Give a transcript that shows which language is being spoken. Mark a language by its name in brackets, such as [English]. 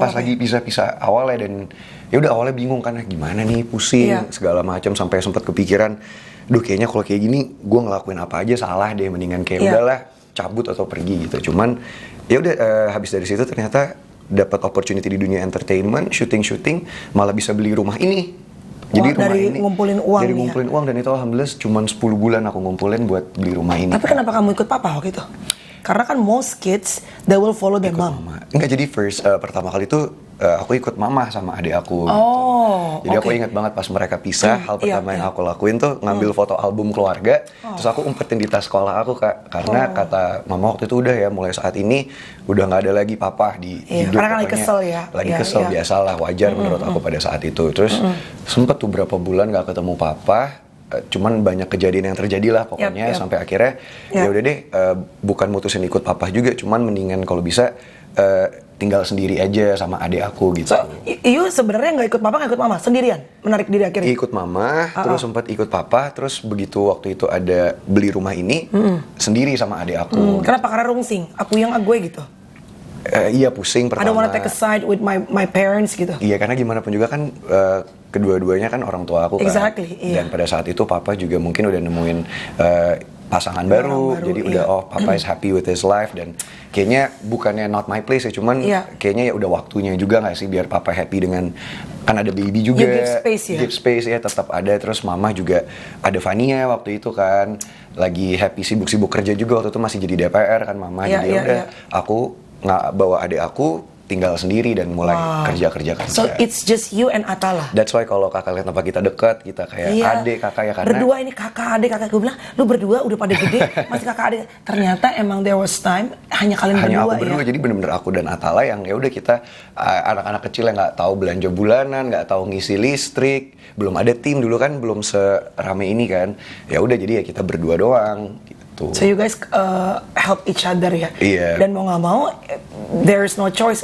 [Indonesian] Pas lagi pisah-pisah awalnya, dan ya udah awalnya bingung kan gimana nih, pusing segala macam, sampai sempat kepikiran, duh kayaknya kalau kayak gini gue ngelakuin apa aja salah deh, mendingan kayak udahlah cabut atau pergi gitu. Cuman ya udah habis dari situ ternyata dapat opportunity di dunia entertainment, syuting-syuting, malah bisa beli rumah ini. Jadi rumah dari ini, ngumpulin uang. Dari ngumpulin uang, dan itu alhamdulillah cuma 10 bulan aku ngumpulin buat beli rumah ini. Tapi kenapa kamu ikut papa waktu itu? Karena kan [English] most kids, they will follow their [Indonesian] ikut [English] mom. [Indonesian] Mama. Enggak, jadi first, pertama kali itu aku ikut mama sama adik aku. Jadi aku ingat banget pas mereka pisah, hal pertama yang aku lakuin tuh ngambil foto album keluarga. Terus aku umpetin di tas sekolah aku kak, karena kata mama waktu itu udah ya, mulai saat ini udah gak ada lagi papa di hidup. Karena lagi kesel ya. Lagi kesel, biasalah, wajar menurut aku pada saat itu. Terus sempet tuh berapa bulan gak ketemu papa, cuman banyak kejadian yang terjadi lah pokoknya, sampai akhirnya ya udah deh, bukan mutusin ikut papa juga, cuman mendingan kalau bisa tinggal sendiri aja sama adik aku gitu. [English] So, you [Indonesian] sebenarnya nggak ikut papa, nggak ikut mama, sendirian, menarik diri akhirnya. Ikut mama, terus sempat ikut papa, terus begitu waktu itu ada beli rumah ini, sendiri sama adik aku. Kenapa? Karena rungsing, aku yang gue gitu. Iya pusing pertama. [English] I don't wanna take a side with my parents gitu. [Indonesian] Iya karena gimana pun juga kan kedua-duanya kan orang tua aku kan. [English] Exactly. [Indonesian] Dan pada saat itu papa juga mungkin udah nemuin pasangan baru, jadi udah [English] papa is happy with his life, [Indonesian] dan kayaknya bukannya [English] not my place [Indonesian] ya, cuman kayaknya ya udah waktunya juga gak sih biar papa happy dengan, kan ada baby juga. [English] You give space ya. Give space [Indonesian] ya, tetap ada. Terus mama juga ada Fania waktu itu kan, lagi happy sibuk-sibuk kerja juga, waktu itu masih jadi DPR kan mama. Jadi aku gak bawa adik aku, tinggal sendiri dan mulai kerja-kerja. [English] So it's just you and Atala. That's why [Indonesian] kalau kakak lihat tempat kita dekat, kita kayak adik kakak ya, karena berdua ini kakak adik kakak. Gue bilang lu berdua udah pada gede masih kakak adik. Ternyata emang [English] there was time [Indonesian] hanya kalian hanya berdua. Hanya aku berdua. Jadi benar-benar aku dan Atala yang ya udah kita anak-anak kecil yang nggak tahu belanja bulanan, nggak tahu ngisi listrik, belum ada tim dulu kan, belum serame ini kan. Ya udah jadi ya kita berdua doang. gitu. [English] So you guys help each other ya. Iya. Yeah. [Indonesian] Dan mau nggak mau, [English] there is no choice.